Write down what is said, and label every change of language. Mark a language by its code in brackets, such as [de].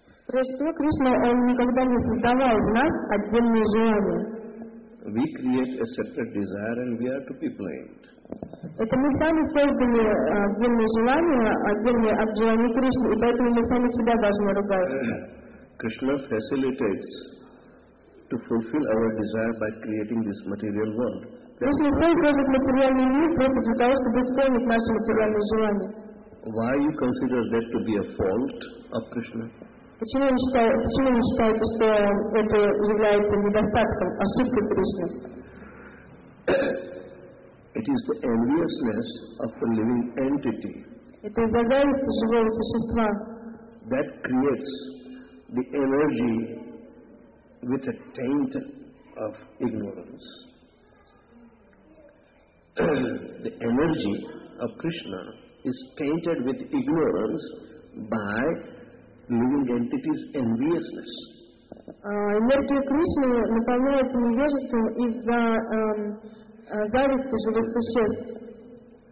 [ru] Прежде всего, Кришна никогда не создавал в нас отдельное желание. [en] We create a separate desire, and we are to be blamed. [ru] Это мы сами создали отдельное желание, отдельное от желания Кришны, и поэтому мы сами себя должны ругать. [en] Krishna facilitates to fulfill our desire by creating this material world. [ru] Кришна создает материальный мир просто для того, чтобы исполнить наши материальные желания. [en] Why you consider that to be a fault of Krishna? [ru] Почему вы считаете, что это является недостатком, ошибкой Кришны? [en] It is the enviousness of the living entity. [ru] Это из-за зависти живого существа. [en] That creates the energy with a taint of ignorance. The energy of Krishna is tainted with ignorance by living entity's enviousness. [ru] Энергия Кришны наполняется невежеством из-за зависти живых существ.